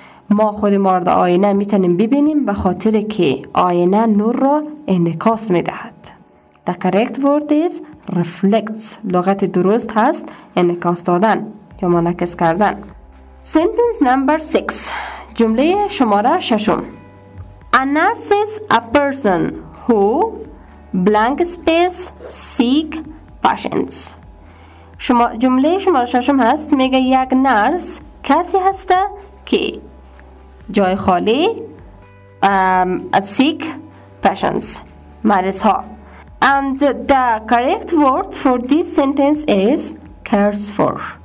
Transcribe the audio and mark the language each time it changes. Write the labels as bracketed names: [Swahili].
[Persian] ما خود ما را در آینه میتونیم ببینیم به خاطر که آینه نور را انعکاس میدهد. [English] The correct word is reflects. [Persian] لغت درست هست انعکاس دادن یا منعکس کردن. [English] Sentence number 6. [Persian] جمله شماره 6. [English] A nurse is a person who blank space seek patients. [Persian] شما جمله شماره 6 هست. میگه یک نرس کسی هست که جای خالی [English] seek patients [Persian] مریض ها. [English] And the correct word for this sentence is cares for.